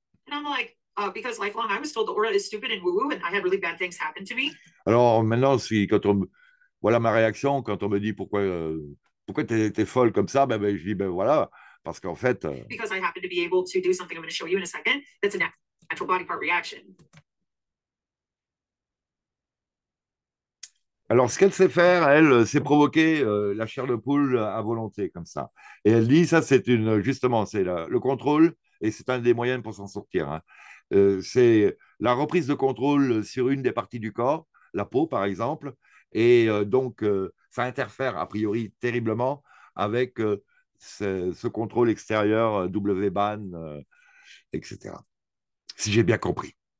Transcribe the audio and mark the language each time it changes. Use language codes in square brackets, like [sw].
[en] And I'm like, because lifelong, I was told the aura is stupid and woo-woo, and I had really bad things happen to me. [fr] Alors maintenant, si, quand on, voilà ma réaction quand on me dit pourquoi t'es folle comme ça, ben je dis, ben voilà, parce qu'en fait... [en] Because I happen to be able to do something I'm going to show you in a second, that's a natural body part reaction. [fr] Alors, ce qu'elle sait faire, elle, c'est provoquer la chair de poule à volonté, comme ça. Et elle dit, ça, c'est une, justement, c'est le contrôle, et c'est un des moyens pour s'en sortir. Hein. C'est la reprise de contrôle sur une des parties du corps, la peau, par exemple, et ça interfère, a priori, terriblement avec ce contrôle extérieur, WBAN, etc. Si j'ai bien compris.